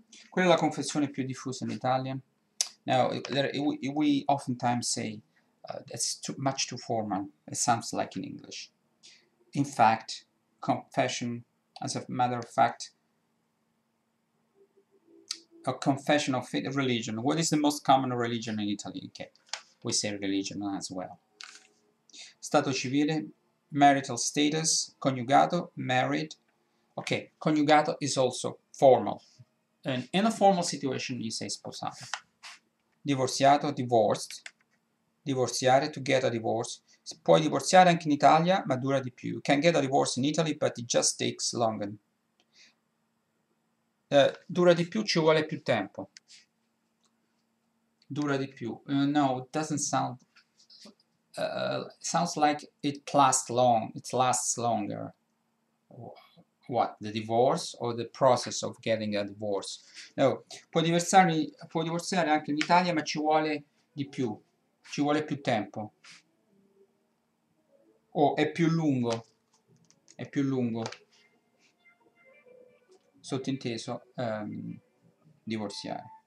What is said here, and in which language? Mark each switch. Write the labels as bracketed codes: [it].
[it] Quella è la confessione più diffusa in Italian. [en] Now, we oftentimes say it's too much too formal. It sounds like in English. In fact, confession, as a matter of fact, a confession of faith, religion. What is the most common religion in Italy? Okay, we say religion as well. Stato civile, marital status, coniugato, married. Okay, coniugato is also formal. And in a formal situation, you say sposato. Divorziato, divorced. Divorziare, to get a divorce. [it] Puoi divorziare anche in Italia, ma dura di più. [en] Can get a divorce in Italy, but it just takes longer. [it] Dura di più, ci vuole più tempo. Dura di più. [en] No, it doesn't sound... sounds like it lasts long. It lasts longer. What? The divorce or the process of getting a divorce? [it] No, puoi divorziare anche in Italia, ma ci vuole di più. Ci vuole più tempo. O è più lungo, è più lungo, sottinteso, divorziare.